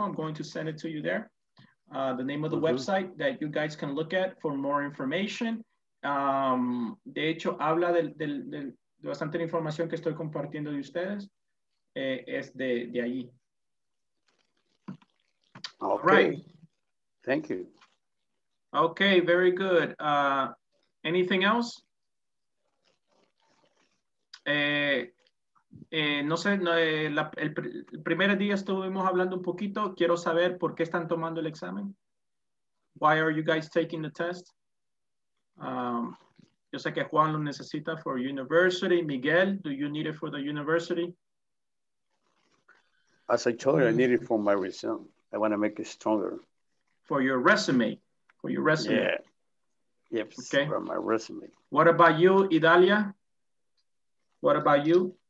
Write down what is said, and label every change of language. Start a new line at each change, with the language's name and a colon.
English: I'm going to send it to you there. The name of the website that you guys can look at for more information.
Spanish: De hecho, habla de bastante la información que estoy compartiendo de ustedes. Es de ahí.
English: Okay. Right. Thank you. Okay, very good. Anything else?
Spanish: No sé, no, el primer día estuvimos hablando un poquito. Quiero saber por qué están tomando el examen.
English: Why are you guys taking the test?
Spanish: Yo sé que Juan lo necesita
English: for university. Miguel, do you need it for the university? As I told you, I need it for my resume. I want to make it stronger. For your resume? For your resume? Yeah. Yep. Okay. For my resume. What about you, Idalia? What about you?